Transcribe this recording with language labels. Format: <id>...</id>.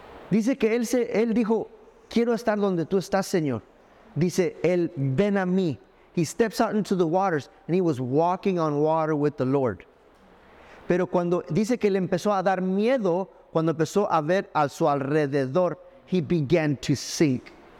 <es>Dice que él dijo, quiero estar donde tú estás, Señor. Dice, él, ven a mí.</es> <en>He steps out into the waters and he was walking on water with the Lord.</en> <es>Pero cuando dice que le empezó a dar miedo, cuando empezó a ver a su alrededor,</es> <en>he began to sink.</en>